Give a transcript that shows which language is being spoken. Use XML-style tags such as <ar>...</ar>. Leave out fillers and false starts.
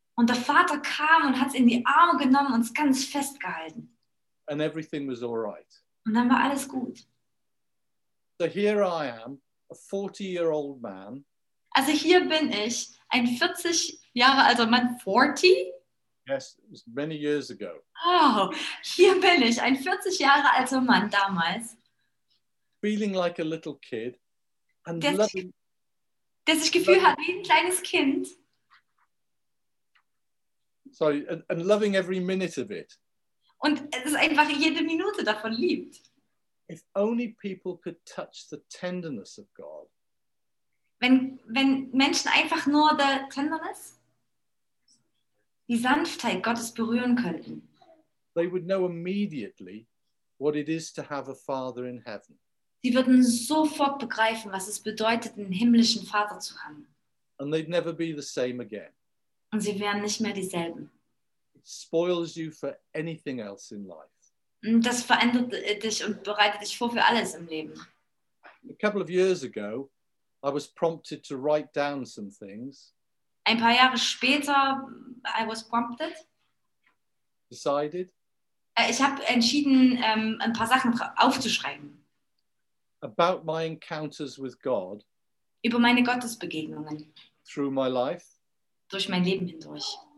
<de>Und der Vater kam und hat's in die Arme genommen und's ganz festgehalten.</de> <en>And everything was all right.</en> <de>Und dann war alles gut.</de> <en>So here I am, a 40-year-old man.</en> <de>Also hier bin ich, ein 40 Jahre alter Mann, 40?</de> <en>Yes, it was many years ago.</en> <de>Oh, hier bin ich, ein 40 Jahre alter Mann damals.</de> <en>Feeling like a little kid and loving.</en> <de>Der sich Gefühl hat wie ein kleines Kind.</de> <en>Sorry, and loving every minute of it.</en> <de>Und es ist einfach jede Minute davon liebt.</de> <en>If only people could touch the tenderness of God.</en> <de>Wenn Menschen einfach nur der Tenderness, die Sanftheit Gottes berühren könnten,</de> <en>they would know immediately what it is to have a father in heaven.</en> <de>Sie würden sofort begreifen, was es bedeutet, einen himmlischen Vater zu haben.</de> <en>And they'd never be the same again.</en> <de>Und sie wären nicht mehr dieselben.</de> <en>It spoils you for anything else in life.</en> <de>Das verändert dich und bereitet dich vor für alles im Leben.</de> <en>A couple of years ago, I was prompted to write down some things.</en> <de>Ein paar Jahre später,</de> <en>I was prompted. Decided.</en> <de>Ich habe entschieden, ein paar Sachen aufzuschreiben.</de> <en>About my encounters with God.</en> <de>Über meine Gottesbegegnungen.</de> <en>Through my life.</en> <de>Durch mein Leben hindurch.</de>